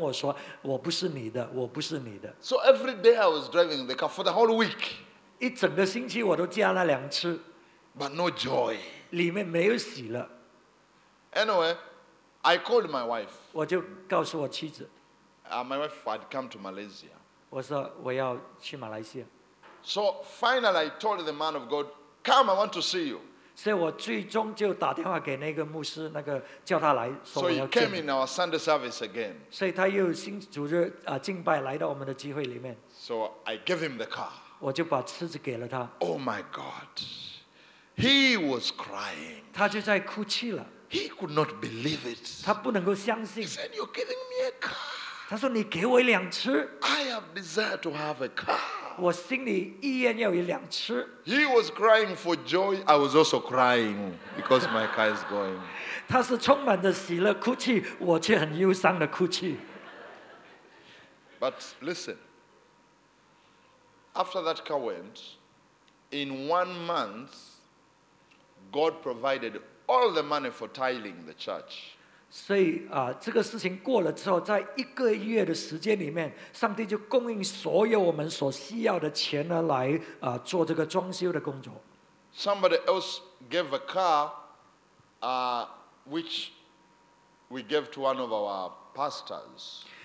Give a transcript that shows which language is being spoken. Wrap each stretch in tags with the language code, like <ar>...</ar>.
<zh>所以当我驾这辆车子回家的时候呢，我可以感觉到这个车子在跟我说，我不是你的，我不是你的。</zh> <en>So every day I was driving the car for the whole week.</en> <zh>一整个星期我都驾那辆车。</zh> <en>But no joy.</en> <zh>里面没有喜乐。</zh> <en>Anyway, I called my wife.</en> <zh>我就告诉我妻子。</zh> <en>My wife had come to Malaysia.</en> <zh>我说我要去马来西亚。</zh> <en>So finally, I told the man of God, "Come, I want to see you."</en> <zh>所以我最终就打电话给那个牧师，那个叫他来说我要见。</zh> <en>So he came in our Sunday service again.</en> <zh>所以他又星期日敬拜来到我们的机会里面。</zh> <en>So I gave him the car.</en> <zh>我就把车子给了他。</zh> <en>Oh my God, he was crying.</en> <zh>他就在哭泣了。</zh> <en>He could not believe it.</en> <zh>他不能够相信。</zh> <en>He said, "You're giving me a car."</en> <zh>他说你给我一辆车。</zh> <en>I have desire to have a car.</en> <zh>我心里意愿要有辆车。</zh> <en>He was crying for joy. I was also crying because my car is going.</en> <zh>他是充满着喜乐哭泣，我却很忧伤的哭泣。</zh> <en>But listen. After that car went, in 1 month, God provided all the money for tiling the church.</en> <zh>所以这个事情过了之后，在一个月的时间里面，上帝就供应所有我们所需要的钱呢，来做这个装修的工作。</zh> <en>Somebody else gave a car, which we gave to one of our pastors.</en>